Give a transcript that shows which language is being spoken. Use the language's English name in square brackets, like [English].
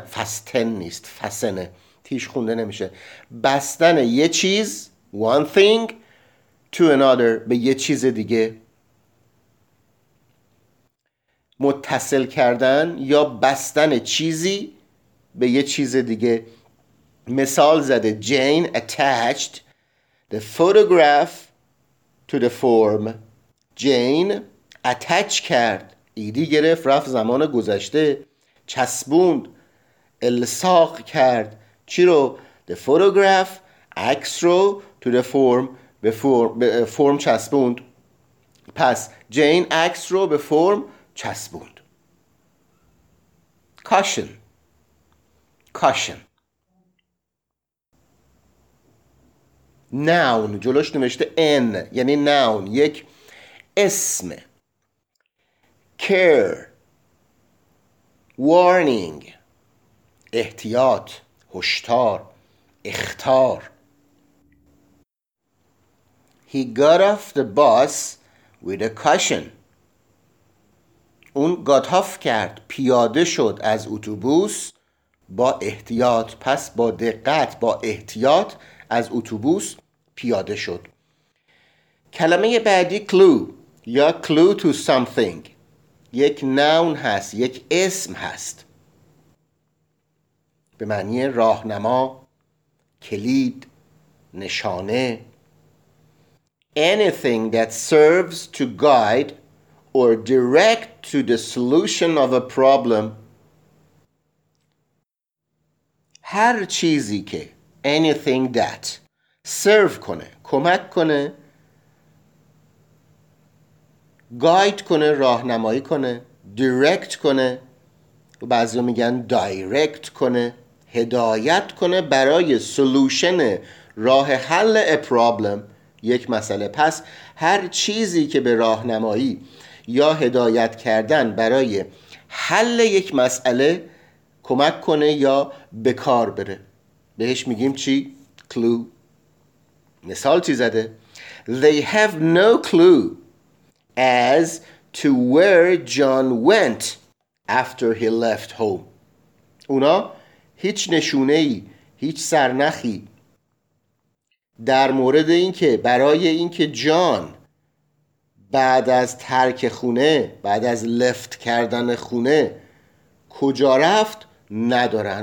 [Persian] فستن نیست، فسنه، تیش خونده نمیشه. بستن یه چیز، [English] one thing to another، [Persian] به یه چیز دیگه. متصل کردن یا بستن چیزی به یه چیز دیگه. مثال زده [English] Jane attached the photograph to the form. [Persian] Jane attach کرد، ایدی گرفت، رفت زمان گذشته، چسبوند، الساق کرد چی رو؟ [English] the photograph، [Persian] عکس رو، [English] to the form، [Persian] به فرم، به فرم چسبوند. پس Jane عکس رو به فرم چسبوند. caution noun، جلوش نوشته N یعنی noun، یک اسم. care، warning، احتیاط، هشدار، اخطار. [English] he got off the bus with a caution. [Persian] اون got off کرد، پیاده شد از اتوبوس با احتیاط. پس با دقت، با احتیاط از اتوبوس پیاده شد. کلمه بعدی clue یا [English] clue to something، [Persian] یک noun هست، یک اسم هست، به معنی راهنما، کلید، نشانه. [English] anything that serves to guide or direct to the solution of a problem. [Persian] هر چیزی که [English] anything that [Persian] سرو کنه، کمک کنه، گاید کنه، راهنمایی کنه، دایرکت کنه، و بعضی میگن دایرکت کنه، هدایت کنه برای سلوشن، راه حل پرابلم، یک مسئله. پس هر چیزی که به راهنمایی یا هدایت کردن برای حل یک مسئله کمک کنه یا بکار بره، بهش میگیم چی؟ کلو. مثال چی زده؟ [English] They have no clue as to where John went after he left home. [Persian] اونا هیچ نشونه ای، هیچ سرنخی در مورد اینکه، برای اینکه جان بعد از ترک خونه، بعد از لفت کردن خونه کجا رفت ندارن.